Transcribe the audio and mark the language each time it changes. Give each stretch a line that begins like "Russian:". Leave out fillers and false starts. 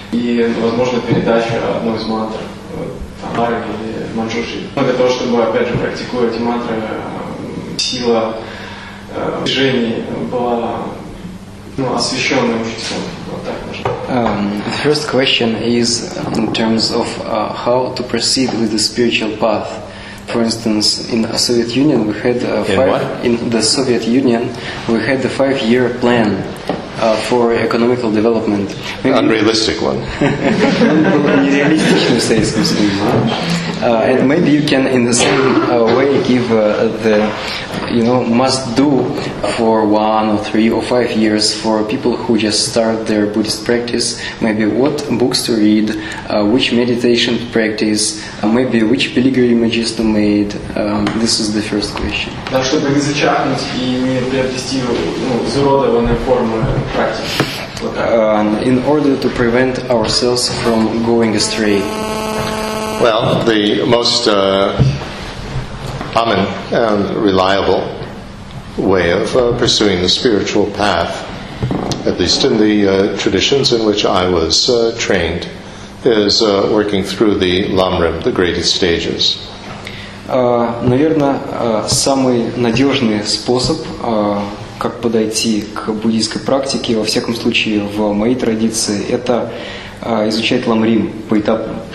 Russian: И, возможно, передача одной из мантр, Тамары или Манджуши. Но для того, чтобы, опять же, практикуя эти мантры, сила движений была освещенной учителем.
English: The first question is in terms of how to proceed with the spiritual path. For instance, in the Soviet Union, we had the 5-year plan for economical development. Maybe unrealistic one.
Russian: Нереалистичный в Советском Союзе.
English: And maybe you can, in the same way, give the must do for 1, 3, or 5 years for people who just start their Buddhist practice. Maybe what books to read, which meditation to practice, maybe which pilgrimages to make. This is the first question.
Russian: Да, чтобы не зачахнуть и не приобрести изуродованные формы практики.
English: In order to prevent ourselves from going astray. Well, the most common and reliable way of pursuing the spiritual path, at least in the traditions in which I was trained, is working through the Lamrim, the greatest stages.
Russian: Наверное, самый надежный способ как подойти к буддийской практике, во всяком случае в моей традиции, это изучать Ламрим по этапам.